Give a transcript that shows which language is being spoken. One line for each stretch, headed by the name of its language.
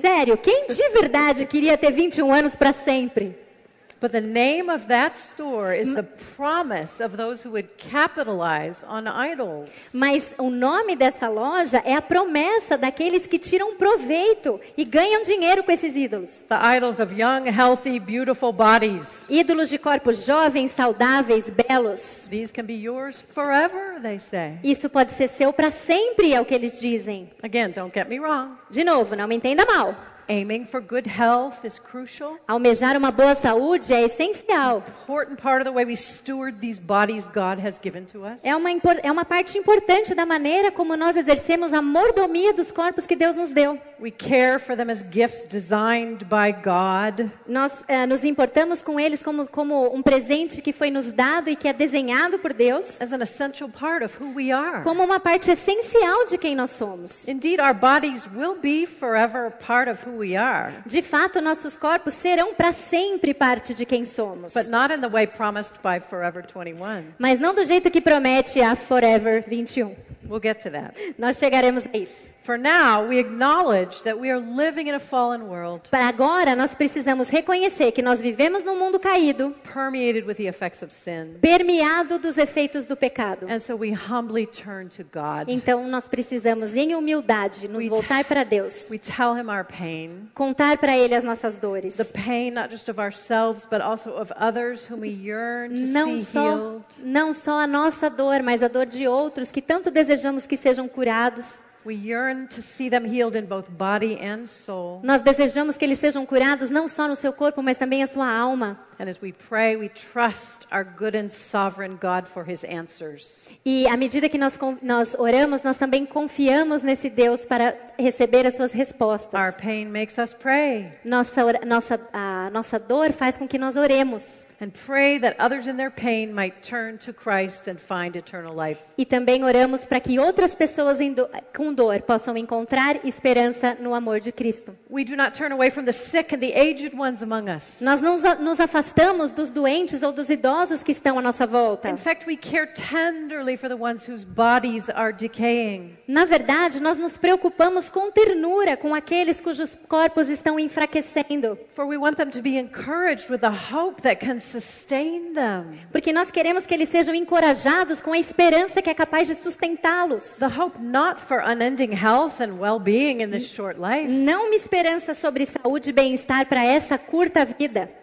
Portuguese: Sério, quem de verdade queria ter 21 anos para sempre?
English: But the name of that store is the promise of those who would capitalize on idols.
Portuguese: Mas o nome dessa loja é a promessa daqueles que tiram proveito e ganham dinheiro com esses ídolos.
English: The idols of young, healthy, beautiful bodies.
Portuguese: Ídolos de corpos jovens, saudáveis, belos.
English: These can be yours forever, they say.
Portuguese: Isso pode ser seu para sempre, é o que eles dizem.
English: Again, don't get me wrong.
Portuguese: De novo, não me entenda mal.
English: Aiming for good health is crucial.
Portuguese: Almejar uma boa saúde é essencial.
English: Important part of the way we steward these bodies God has given to us.
Portuguese: É uma parte importante da maneira como nós exercemos a mordomia dos corpos que Deus nos deu.
English: We care for them as gifts designed by God.
Portuguese: Nós nos importamos com eles como um presente que foi nos dado e que é desenhado por Deus.
English: As an essential part of who we are.
Portuguese: Como uma parte essencial de quem nós somos.
English: Indeed, our bodies will be forever part of.
Portuguese: De fato, nossos corpos serão para sempre parte de quem somos.
English: But not in the way promised by Forever 21.
Portuguese: Mas não do jeito que promete a Forever 21.
English: We'll get to that.
Portuguese: Nós chegaremos a isso.
English: For now, we acknowledge that we are living in a fallen world.
Portuguese: Para agora, nós precisamos reconhecer que nós vivemos num mundo caído.
English: Permeated with the effects of sin.
Portuguese: Permeado dos efeitos do pecado.
English: And so we humbly turn to God.
Portuguese: Então nós precisamos, em humildade, nos voltar para Deus.
English: We tell him our pain.
Portuguese: Contar para ele as nossas dores.
English: The pain not just of ourselves, but also of others whom we yearn to não see
Portuguese: só,
English: healed.
Portuguese: Não só a nossa dor, mas a dor de outros que tanto desejamos que sejam curados.
English: We yearn to see them healed in both body and soul.
Portuguese: Nós desejamos que eles sejam curados não só no seu corpo, mas também a sua alma.
English: And as we pray, we trust our good and sovereign God for his answers.
Portuguese: E à medida que nós oramos, nós também confiamos nesse Deus para receber as suas respostas.
English: Our pain makes us pray.
Portuguese: Nossa dor faz com que nós oremos.
English: And pray that others in their pain might turn to Christ and find eternal life.
Portuguese: E também oramos para que outras pessoas com dor possam encontrar esperança no amor de Cristo.
English: We do not turn away from the sick and the aged ones among us.
Portuguese: Nós não nos afastamos dos doentes ou dos idosos que estão à nossa volta.
English: In fact, we care tenderly for the ones whose bodies are decaying.
Portuguese: Na verdade, nós nos preocupamos com ternura com aqueles cujos corpos estão enfraquecendo.
English: For we want them to be encouraged with a hope that can sustain them.
Portuguese: Porque nós queremos que eles sejam encorajados com a esperança que é capaz de sustentá-los.
English: The hope not for unending health and well-being in this short life.
Portuguese: Não uma esperança sobre saúde e bem-estar para essa curta vida.